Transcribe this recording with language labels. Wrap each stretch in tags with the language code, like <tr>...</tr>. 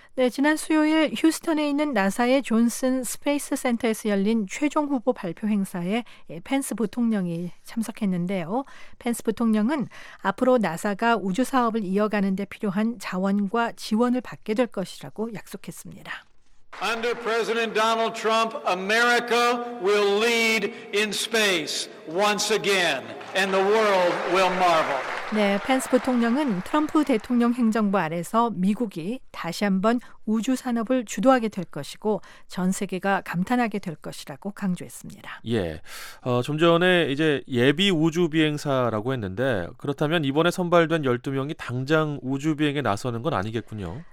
<ko>네, 지난 수요일 휴스턴에 있는 나사의 존슨 스페이스 센터에서 열린 최종 후보 발표 행사에 펜스 부통령이 참석했는데요. 펜스 부통령은 앞으로 나사가 우주 사업을 이어가는 데 필요한 자원과 지원을 받게 될 것이라고 약속했습니다.</ko> <en>Under President Donald Trump, America will lead in space once again, and the world will marvel.</en> <ko>네, 펜스 부통령은 트럼프 대통령 행정부 아래서 미국이 다시 한번 우주 산업을 주도하게 될 것이고 전 세계가 감탄하게 될 것이라고 강조했습니다. 예, 좀 전에 이제 예비 우주 비행사라고 했는데 그렇다면 이번에 선발된 12명이 당장 우주 비행에 나서는 건 아니겠군요.</ko>